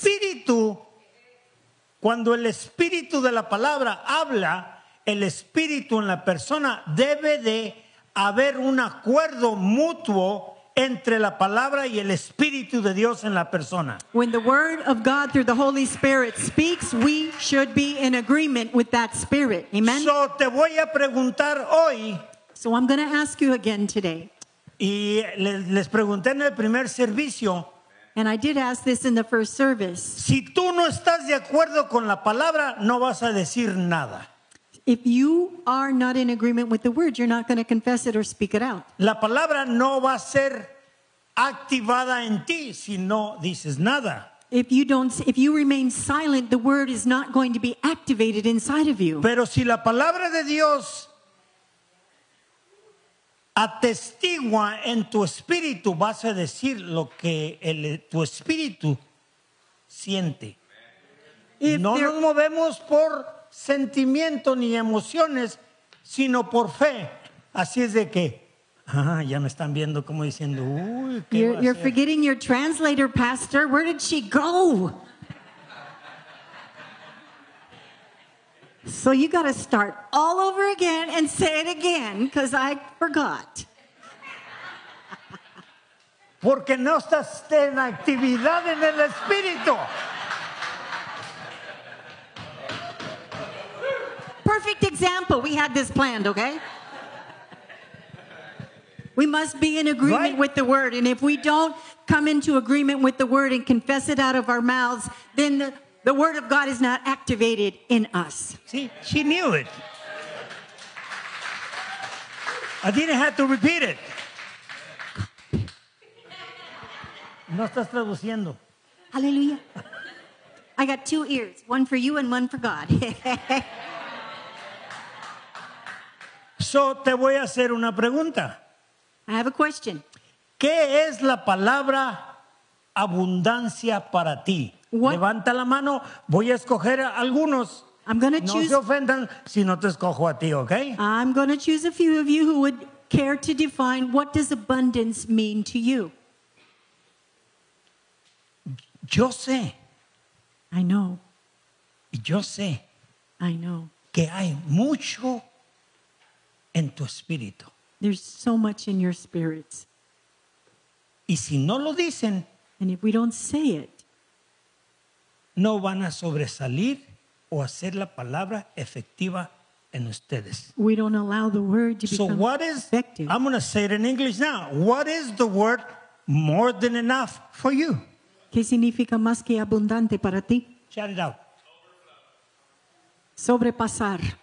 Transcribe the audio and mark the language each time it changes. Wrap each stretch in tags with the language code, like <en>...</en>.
<es>Pero el Espíritu, cuando el Espíritu de la palabra habla, el Espíritu en la persona debe de haber un acuerdo mutuo entre la palabra y el Espíritu de Dios en la persona.</es> <en>When the Word of God through the Holy Spirit speaks, we should be in agreement with that Spirit. Amen?</en> <es>So, te voy a preguntar hoy.</es> <en>So, I'm going to ask you again today.</en> <es>Y les pregunté en el primer servicio.</es> <en>And I did ask this in the first service.</en> <es>Si tú no estás de acuerdo con la palabra, no vas a decir nada.</es> <en>If you are not in agreement with the word, you're not going to confess it or speak it out.</en> <es>La palabra no va a ser activada en ti si no dices nada.</es> <en>If you remain silent, the word is not going to be activated inside of you.</en> <es>Pero si la palabra de Dios atestigua en tu espíritu, vas a decir lo que tu espíritu siente. No nos movemos por sentimiento ni emociones, sino por fe. Así es de que, ya me están viendo como diciendo, uy, ¿qué va a ser?</es> <en>You're forgetting your translator, pastor. Where did she go? So you got to start all over again and say it again, because I forgot.</en> <es>Porque no estás en actividad en el espíritu.</es> <en>Perfect example. We had this planned, okay? We must be in agreement, right, with the word. And if we don't come into agreement with the word and confess it out of our mouths, then the word of God is not activated in us. See, she knew it. I didn't have to repeat it.</en> <es>No estás traduciendo.</es> <en>Hallelujah. I got two ears, one for you and one for God.</en> <es>So, te voy a hacer una pregunta.</es> <en>I have a question.</en> <es>¿Qué es la palabra abundancia para ti?</es> <en>What?</en> <es>Levanta la mano. Voy a escoger a algunos.</es> <en>I'm gonna</en> <es>no</es> <en>choose...</en> <es>se ofendan si no te escojo a ti, ¿ok?</es> <en>I'm going to choose a few of you who would care to define what does abundance mean to you.</en> <es>Yo sé.</es> <en>I know.</en> <es>Yo sé.</es> <en>I know.</en> <es>Que hay mucho en tu espíritu.</es> <en>There's so much in your spirits.</en> <es>Y si no lo dicen,</es> <en>and if we don't say it,</en> <es>no van a sobresalir o hacer la palabra efectiva en ustedes.</es> <en>We don't allow the word to become effective. I'm going to say it in English now. What is the word more than enough for you?</en> <es>¿Qué significa más que abundante para ti?</es> <en>Shout it out.</en> <es>Sobrepasar.</es>